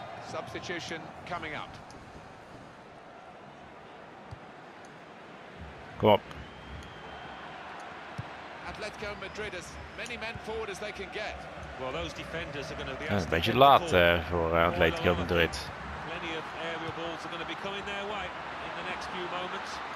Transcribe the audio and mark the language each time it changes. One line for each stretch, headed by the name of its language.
English: Substitution coming up.
Dutch: Kom op.
English: Atletico Madrid has many men forward as they can get. Well, those defenders are going to be
Dutch: een beetje laat voor
English: Atletico Madrid. Plenty of aerial balls are going to be coming their way in the next few moments.